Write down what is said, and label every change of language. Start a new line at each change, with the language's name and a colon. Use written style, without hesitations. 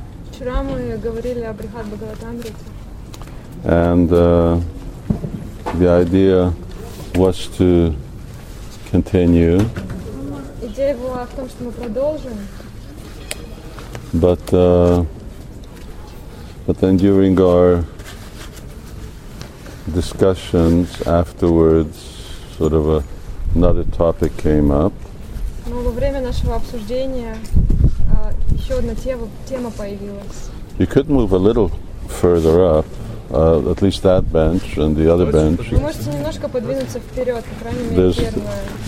Russian: Вчера мы говорили о Брихад Бхагаватамрите.
English: And the idea was to continue.
Russian: Идея была в том, что мы продолжим.
English: But then during our discussions afterwards, sort of another topic came up.
Russian: Но во время нашего обсуждения еще одна тема появилась.
English: You could move a little further up, at least that bench and the other bench.
Russian: Вы можете немножко подвинуться вперед, по крайней мере, первая.